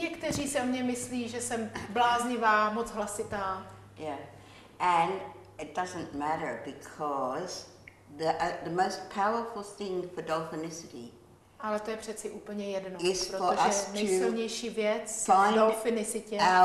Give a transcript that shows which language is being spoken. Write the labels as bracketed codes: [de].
[cs] Někteří se o mě myslí, že jsem bláznivá, moc hlasitá. [en] Yeah, and it doesn't matter because the most powerful thing for dolphinicity. [cs] Ale to je přeci úplně jedno, protože nejsilnější věc v dolphinicitě.